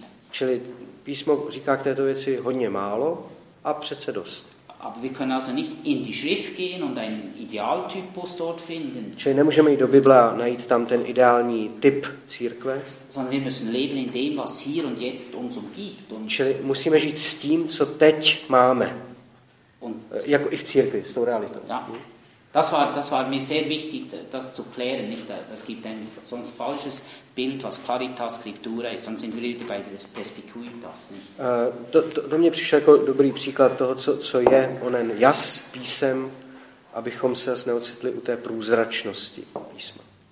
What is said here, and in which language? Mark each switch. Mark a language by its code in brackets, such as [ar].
[cs] Čili písmo říká k této věci hodně málo a přece dost. [de] Aber wir können also nicht in die Schrift gehen und einen Idealtypus dort finden. [cs] Čili nemůžeme jít do Bible a najít tam ten ideální typ církve. [de] Sondern wir müssen leben in dem, was hier und jetzt uns umgibt. [cs] Čili musíme žít s tím, co teď máme. [de] Und [cs] jako i v církvi, s tou realitou. [de] Ja. Das war mir sehr wichtig, das zu klären. Nicht, das gibt ein sonst falsches Bild, was Claritas Scriptura ist. Dann sind wir wieder bei Perspicuitas. [cs] To mě přišel jako dobrý příklad toho, co je onen jas písem, abychom se zase neocitli u té průzračnosti písma.